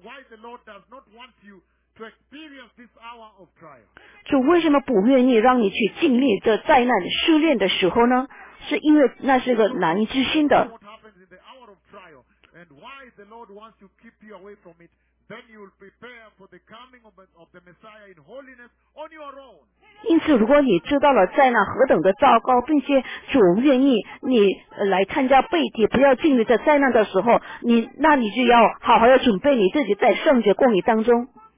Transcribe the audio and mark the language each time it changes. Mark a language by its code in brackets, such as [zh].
[en] Why the Lord does not want you to experience this hour of trial? [zh] 主为什么不愿意让你去经历这灾难试炼的时候呢？是因为那是个难以置信的。 [en] What happens in the hour of trial? And why the Lord wants to keep you away from it? Then you will prepare for the coming of the Messiah in holiness on your own. [zh] 因此，如果你知道了灾难何等的糟糕，并且主愿意你来参加背体，不要进入这灾难的时候，那你就要好好的准备你自己在圣洁供应当中。